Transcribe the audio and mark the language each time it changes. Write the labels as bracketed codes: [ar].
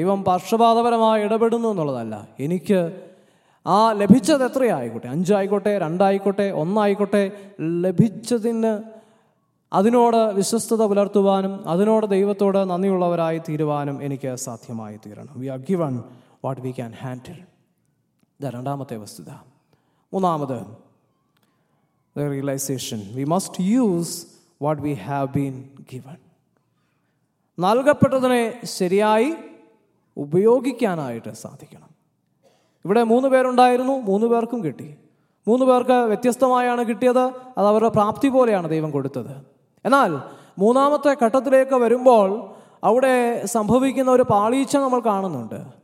[ml] ദൈവം പക്ഷപാതപരമായി ഇടപെടുന്നു എന്നുള്ളതല്ല. എനിക്ക് ആ ലഭിച്ചത് എത്രയായിക്കോട്ടെ, 5 ആയിക്കോട്ടെ, 2 ആയിക്കോട്ടെ, 1 ആയിക്കോട്ടെ, ലഭിച്ചതിന് അതിനോട് വിശ്വസ്തത പുലർത്തുവാനും അതിനോട് ദൈവത്തോട് നന്ദിയുള്ളവരായി തീരുവാനും എനിക്ക് സാധ്യമായി തീരണം. [en] We are given what we can handle. [ml] ഇത് രണ്ടാമത്തെ വസ്തുത. [en] 3-ാമത്, the realization, we must use what we have been given. [ml] നൽകപ്പെട്ടതിനെ ശരിയായി ഉപയോഗിക്കാനായിട്ട് സാധിക്കണം. ഇവിടെ 3 പേരുണ്ടായിരുന്നു, 3 പേർക്കും കിട്ടി. 3 പേർക്ക് വ്യത്യസ്തമായാണ് കിട്ടിയത്, അത് അവരുടെ പ്രാപ്തി പോലെയാണ് ദൈവം കൊടുത്തത്. എന്നാൽ 3-ാമത്തെ ഘട്ടത്തിലേക്ക് വരുമ്പോൾ അവിടെ സംഭവിക്കുന്ന ഒരു പാളീച്ച നമ്മൾ കാണുന്നുണ്ട്.